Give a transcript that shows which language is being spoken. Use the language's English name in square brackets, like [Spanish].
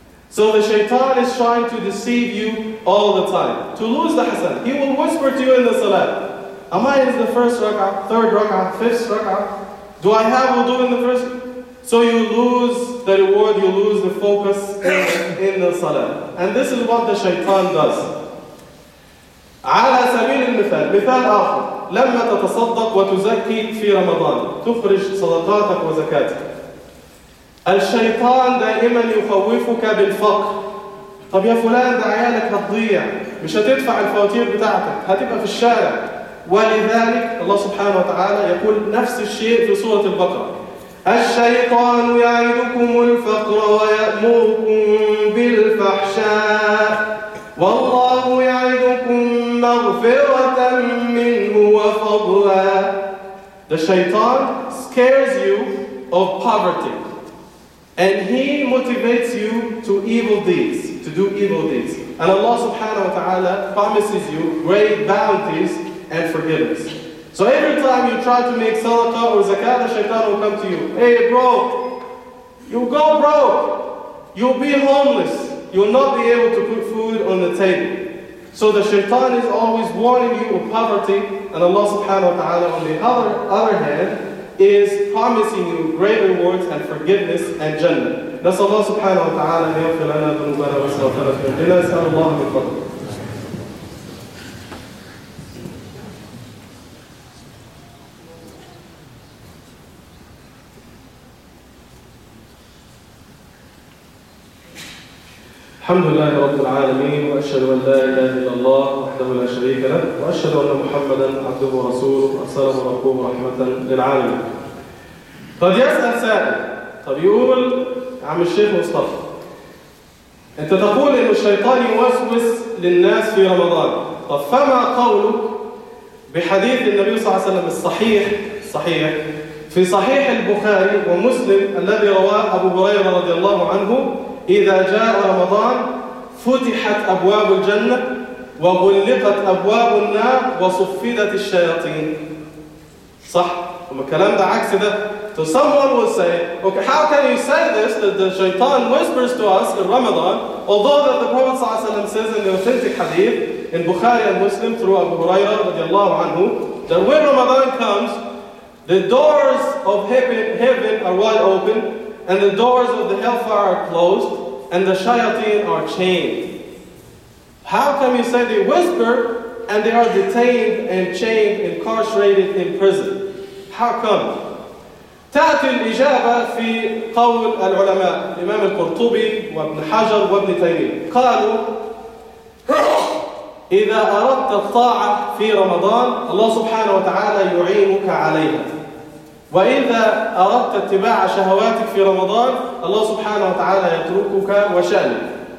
[English] So the shaitan is trying to deceive you all the time, to lose the hasan. He will whisper to you in the salat, am I in the first rak'ah, third rak'ah, fifth rak'ah? Do I have wudu in the first? So you lose the reward, you lose the focus in the salah. And this is what the shaitan does. [Arabic] على سبيل المثال, مثال آخر, لما تتصدق وتزكي في رمضان, تخرج صدقاتك وزكاتك. الشيطان دائما يخوفك بالفقر. طب يا فلان ده عيالك هتضيع, مش هتدفع الفواتير بتاعتك, هتبقى في الشارع. ولذلك الله سبحانه وتعالى يقول نفس الشيء في سورة البقرة. الشيطان يعدكم الفقر ويأمركم بالفحشاء والله يعدكم مغفرة منه وفضلا. [English] The shaitan scares you of poverty, and he motivates you to evil deeds, to do evil deeds. And Allah subhanahu wa ta'ala promises you great bounties and forgiveness. So every time you try to make salatah or zakat, the shaitan will come to you. Hey bro, you'll go broke. You'll be homeless. You'll not be able to put food on the table. So the shaitan is always warning you of poverty, and Allah subhanahu wa ta'ala on the other hand is promising you great rewards and forgiveness and jannah. [Arabic] نسأل الله سبحانه وتعالى أن يغفر لنا ذنوبنا ويستغفر لنا إلا نسأل الله من فضله. الحمد لله رب العالمين وأشهد أن لا إله إلا الله وحده لا شريك له وأشهد أن محمدا عبده ورسوله أرسله ربه رحمة للعالمين. قد يسأل سائل قد يقول عم الشيخ مصطفى انت تقول ان الشيطان يوسوس للناس في رمضان، طب فما قولك بحديث النبي صلى الله عليه وسلم الصحيح في صحيح البخاري ومسلم الذي رواه ابو هريره رضي الله عنه اذا جاء رمضان فتحت ابواب الجنه وغلقت ابواب النار وصفدت الشياطين، صح؟ وما الكلام ده عكس ده. [English] So someone will say, okay, how can you say this, that the shaitan whispers to us in Ramadan, although that the Prophet ﷺ says in the authentic hadith, in Bukhari and Muslim through Abu Hurairah radiallahu anhu, that when Ramadan comes, the doors of heaven are wide open, and the doors of the hellfire are closed, and the shayateen are chained. How can you say they whisper, and they are detained and chained, incarcerated in prison? How come? [Arabic] تأتي الإجابة في قول العلماء الإمام القرطبي وابن حجر وابن تيمية، قالوا إذا أردت الطاعة في رمضان الله سبحانه وتعالى يعينك عليها، وإذا أردت اتباع شهواتك في رمضان الله سبحانه وتعالى يتركك وشأنك.